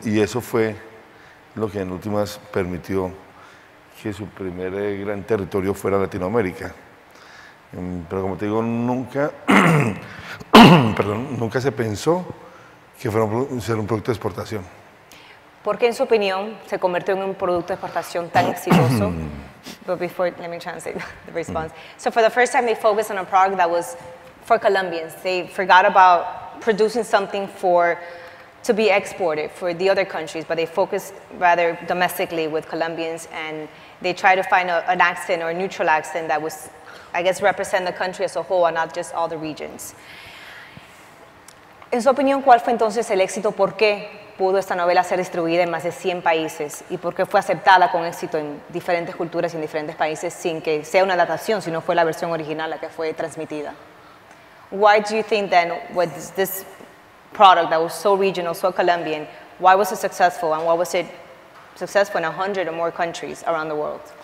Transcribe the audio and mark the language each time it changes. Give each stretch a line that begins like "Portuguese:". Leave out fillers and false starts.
Spanish: Y eso fue lo que en últimas permitió que su primer gran territorio fuera Latinoamérica. Pero como te digo, nunca, perdón, nunca se pensó que fuera un producto de exportación. ¿Por qué, en su opinión, se convirtió en un producto de exportación tan exitoso?
English: But before, let me translate the response. So for the first time, they focused on a product that was for Colombians. They forgot about producing something to be exported for the other countries, but they focused rather domestically with Colombians, and they tried to find an accent or a neutral accent that was, I guess, represent the country as a whole and not just all the regions.
Spanish: En su opinión, ¿cuál fue entonces el éxito? ¿Por qué pudo esta novela ser distribuida en más de 100 países y por qué fue aceptada con éxito en diferentes culturas y en diferentes países sin que sea una adaptación, sino fue la versión original la que fue transmitida?
English: Why do you think then with this product that was so regional, so Colombian, why was it successful and why was it successful in 100 or more countries around the world?